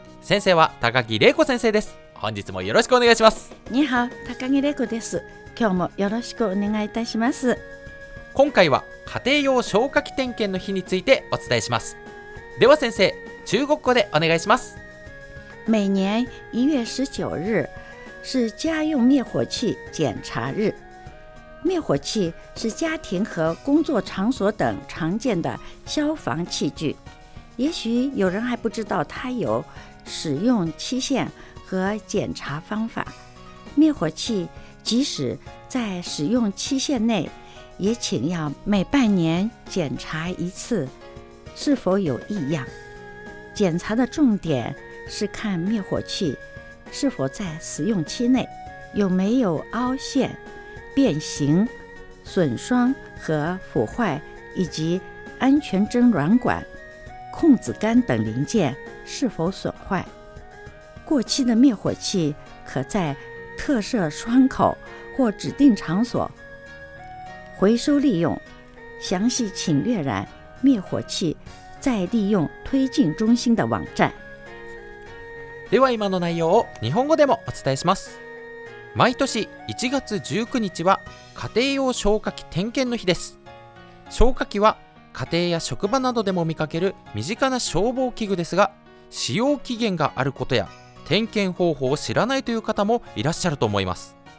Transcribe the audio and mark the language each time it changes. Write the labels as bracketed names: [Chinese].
[Japanese] 先生は高木玲子先生です。本日もよろしくお願いします。ニハオ、高木玲子です。今日もよろしくお願いいたします。今回は家庭用消火器点検の日についてお伝えします。では先生、中国語でお願いします。 [Chinese] 每年1月19日是家用灭火器检查日。灭火器是家庭和工作场所等常见的消防器具，也许有人还不知道它有使用期限和检查方法。灭火器即使在使用期限内，也请要每半年检查一次是否有异样。检查的重点是看灭火器是否在使用期内，有没有凹陷、变形、损伤和腐坏，以及安全针软管、控制杆等零件是否损坏。过期的灭火器可在特设窗口或指定场所回收利用，详细请阅览灭火器再利用推进中心的网站。 [Japanese] では今の内容を日本語でもお伝えします。毎年1月19日は家庭用消火器点検の日です。消火器は家庭や職場などでも見かける身近な消防器具ですが、使用期限があることや点検方法を知らないという方もいらっしゃると思います。